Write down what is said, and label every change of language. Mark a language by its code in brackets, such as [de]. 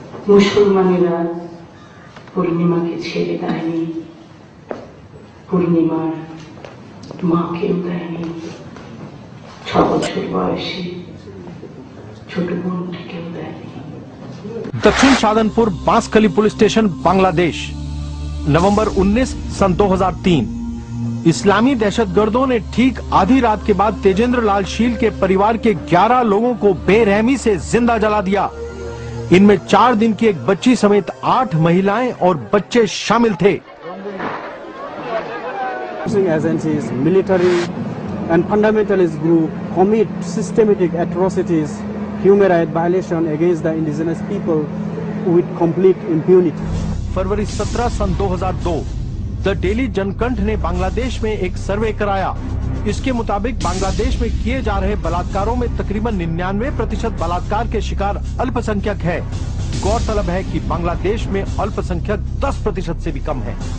[bn] মুসলমানেরা পূর্ণিমাকে ছেড়ে দেয়নি, পূর্ণিমার মাকেও দেয়নি, 6 বছর বয়সী ছোট বোনটিকেও দেয়নি। দক্ষিণ Sadhanpur Banshkhali police station Bangladesh, November 19, 2003। [hi] इस्लामी दहशतगर्दों ने ठीक आधी रात के बाद तेजेंद्र लाल शील के परिवार के 11 लोगों को बेरहमी से जिंदा जला दिया। इनमें 4 दिन की एक बच्ची समेत 8 महिलाएं और बच्चे शामिल थे। [en] Using agencies, military and fundamentalist group commit systematic atrocities, human rights violation against the indigenous people with complete impunity. [hi] February 17, 2002, the daily Janakantha ने बांग्लादेश में एक सर्वे कराया। इसके मुताबिक बांग्लादेश में किए जा रहे बलात्कारों में तकरीबन 99% बलात्कार के शिकार अल्पसंख्यक हैं। गौरतलब है कि बांग्लादेश में अल्पसंख्यक 10% से भी कम है।